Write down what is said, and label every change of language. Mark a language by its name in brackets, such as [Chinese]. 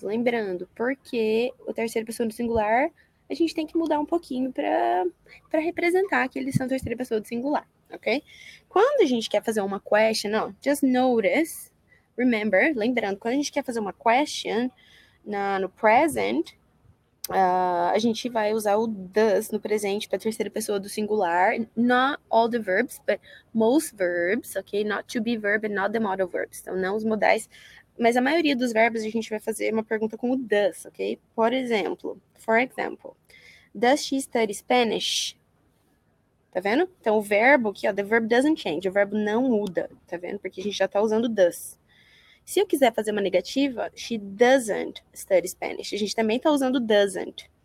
[Portuguese] Lembrando, porque o terceira pessoa do singular, a gente tem que mudar um pouquinho para representar que eles são terceira pessoa do singular. Ok? Quando a gente quer fazer uma question, ó, [English] just notice, remember, [Portuguese] lembrando, quando a gente quer fazer uma question no present, a gente vai usar o does no presente para a terceira pessoa do singular. [English] Not all the verbs, but most verbs, ok? Not to be verb and not the modal verbs. [Portuguese] Então, não os modais. Mas a maioria dos verbos a gente vai fazer uma pergunta com o does, ok? Por exemplo, [English] for example, does she study Spanish? [Portuguese] Tá vendo? Então, o verbo aqui, ó, [English] the verb doesn't change. [Portuguese] O verbo não muda, tá vendo? Porque a gente já tá usando o does. Se eu quiser fazer uma negativa, [English] she doesn't study Spanish. [Portuguese] A gente também está usando doesn't.